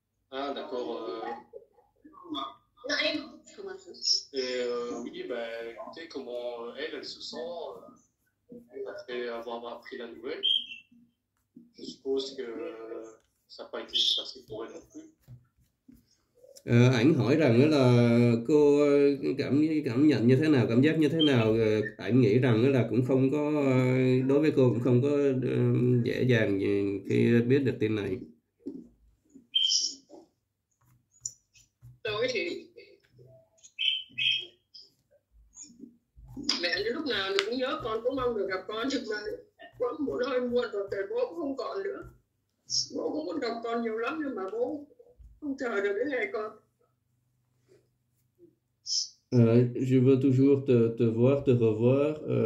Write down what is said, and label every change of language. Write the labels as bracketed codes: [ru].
[fr] Ah, d'accord. Écoutez comment elle se sent après avoir appris la nouvelle. Je suppose que ça n'a pas été facile pour elle non plus. [vi] Anh hỏi rằng là cô cảm nhận như thế nào, cảm giác như thế nào. Anh nghĩ rằng là cũng không có, đối với cô cũng không có dễ dàng khi biết được tin này. Tôi thì mẹ lúc nào cũng nhớ con, cũng mong được gặp con, nhưng mà có một hơi muộn rồi, thì bố cũng không còn nữa. Bố cũng muốn gặp con nhiều lắm, nhưng mà bố không chờ được cái ngày con. [fr] Je veux toujours te voir, te revoir.